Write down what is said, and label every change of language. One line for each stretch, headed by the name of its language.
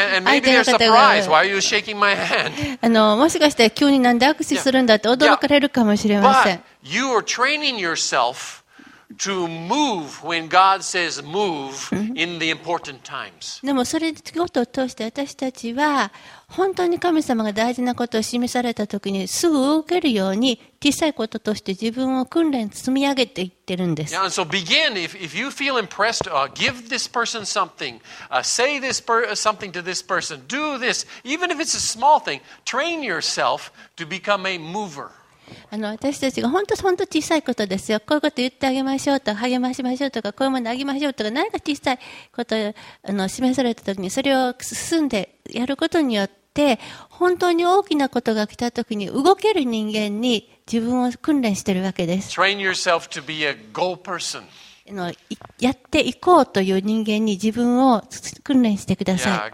Japanese: 相手の方が、
English: Why are you shaking my hand?
Japanese: もしかしたら急になんで握手するんだって驚かれるかもしれません。
English: But you are training yourself to move when God says move in the important times。
Japanese: でもそれってことを通して私たちは。本当に神様が大事なことを示されたときにすぐ動けるように小さいこととして自分を訓練積み上げていってるんです。
English: Yeah, and so begin. If you feel impressed, give this person something. Say this something to this person. Do this. Even if it's a small thing, train yourself to become a mover.
Japanese: 私たちが本当小さいことですよ。こういうこと言ってあげましょうとか励ましましょうとか、こういうものあげましょうとか、何か小さいことを示されたときに、それを進んでやることによって、本当に大きなことが来たときに動ける人間に自分を訓練しているわけです。
English: Train yourself to be a go person.
Japanese: やっていこうという人間に自分を訓練してください。